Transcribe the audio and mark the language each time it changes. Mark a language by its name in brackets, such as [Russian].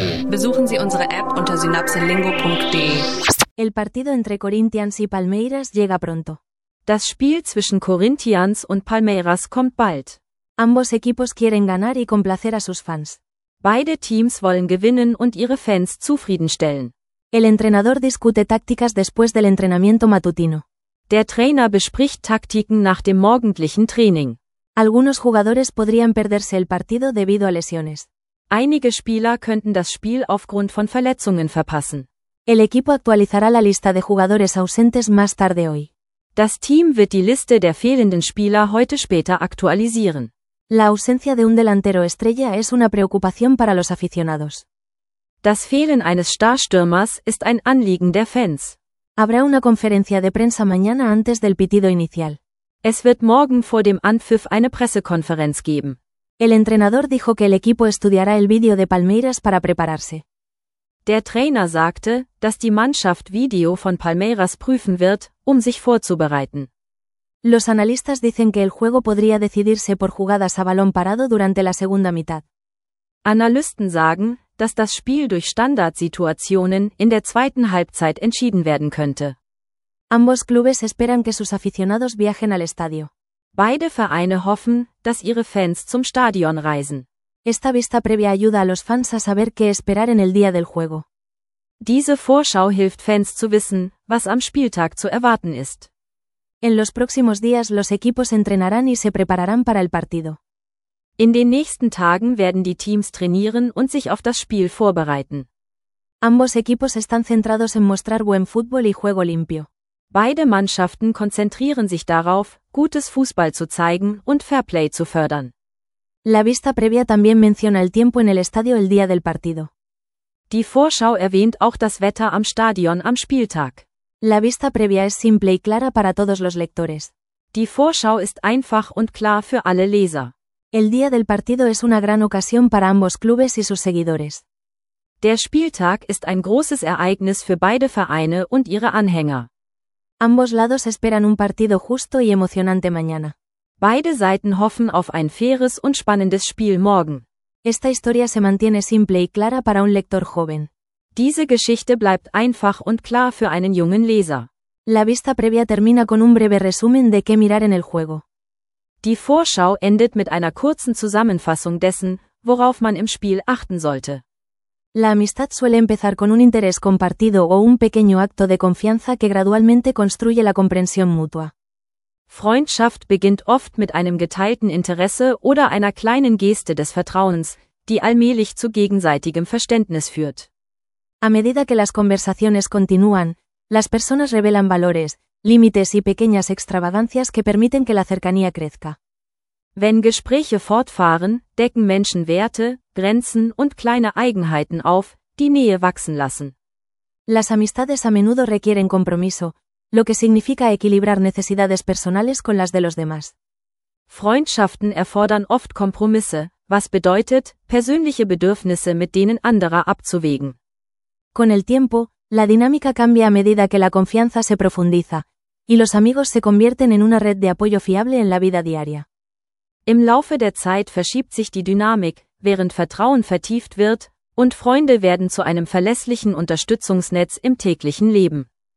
[German] Besuchen Sie unsere App unter synapselingo.de. [Spanish] El partido entre Corinthians y Palmeiras llega pronto. [German] Das Spiel zwischen Corinthians und Palmeiras kommt bald. [Spanish] Ambos equipos quieren ganar y complacer a sus fans. [German] Beide Teams wollen gewinnen und ihre Fans zufriedenstellen. [Spanish] El entrenador discute tácticas después del entrenamiento matutino. [German] Der Trainer bespricht Taktiken nach dem morgendlichen Training. [Spanish] Algunos jugadores podrían perderse el partido debido a lesiones. [German] Einige Spieler könnten das Spiel aufgrund von Verletzungen verpassen. [Spanish] El equipo actualizará la lista de jugadores ausentes más tarde hoy. [German] Das Team wird die Liste der fehlenden Spieler heute später aktualisieren. [Spanish] La ausencia de un delantero estrella es una preocupación para los aficionados. [German] Das Fehlen eines Starstürmers ist ein Anliegen der Fans. [Spanish] Habrá una conferencia de prensa mañana antes del pitido inicial. [German] Es wird morgen vor dem Anpfiff eine Pressekonferenz geben. [Spanish] El entrenador dijo que el equipo estudiará el vídeo de Palmeiras para prepararse. [German] Der Trainer sagte, dass die Mannschaft Video von Palmeiras prüfen wird, um sich vorzubereiten. [Spanish] Los analistas dicen que el juego podría decidirse por jugadas a balón parado durante la segunda mitad. [German] Analysten sagen, dass das Spiel durch Standardsituationen in der zweiten Halbzeit entschieden werden könnte. [Spanish] Ambos clubes esperan que sus aficionados viajen al estadio. [German] Beide Vereine hoffen, dass ihre Fans zum Stadion reisen. [Spanish] Esta vista previa ayuda a los fans a saber qué esperar en el día del juego. [German] Diese Vorschau hilft Fans zu wissen, was am Spieltag zu erwarten ist. [Spanish] En los próximos días los equipos entrenarán y se prepararán para el partido. [German] In den nächsten Tagen werden die Teams trainieren und sich auf das Spiel vorbereiten. [Spanish] Ambos equipos están centrados en mostrar buen fútbol y juego limpio. [German] Beide Mannschaften konzentrieren sich darauf, gutes Fußball zu zeigen und Fairplay zu fördern. [Spanish] La vista previa también menciona el tiempo en el estadio el día del partido. [German] Die Vorschau erwähnt auch das Wetter am Stadion am Spieltag. [Spanish] La vista previa es simple y clara para todos los lectores. [German] Die Vorschau ist einfach und klar für alle Leser. [Spanish] El día del partido es una gran ocasión para ambos clubes y sus seguidores. [German] Der Spieltag ist ein großes Ereignis für beide Vereine und ihre Anhänger. [Spanish] Ambos lados esperan un partido justo y emocionante mañana. [German] Beide Seiten hoffen auf ein faires und spannendes Spiel morgen. [Spanish] Esta historia se mantiene simple y clara para un lector joven. [German] Diese Geschichte bleibt einfach und klar für einen jungen Leser. [Spanish] La vista previa termina con un breve resumen de qué mirar en el juego. [German] Die Vorschau endet mit einer kurzen Zusammenfassung dessen, worauf man im Spiel achten sollte. [Spanish] La amistad suele empezar con un interés compartido o un pequeño acto de confianza que gradualmente construye la comprensión mutua. [German] Freundschaft beginnt oft mit einem geteilten Interesse oder einer kleinen Geste des Vertrauens, die allmählich zu gegenseitigem Verständnis führt. [Spanish] A medida que las conversaciones continúan, las personas revelan valores, límites y pequeñas extravagancias que permiten que la cercanía crezca. [German] Wenn Gespräche fortfahren, decken Menschen Werte, Grenzen und kleine Eigenheiten auf, die Nähe wachsen lassen. [Spanish] Las amistades a menudo requieren compromiso, lo que significa equilibrar necesidades personales con las de los demás. [German] Freundschaften erfordern oft Kompromisse, was bedeutet, persönliche Bedürfnisse mit denen anderer abzuwägen. [Spanish] Con el tiempo, la dinámica cambia a medida que la confianza se profundiza, y los amigos se convierten en una red de apoyo fiable en la vida diaria. [German] Im Laufe der Zeit verschiebt sich die Dynamik, während Vertrauen vertieft wird, und Freunde werden zu einem verlässlichen Unterstützungsnetz im täglichen Leben.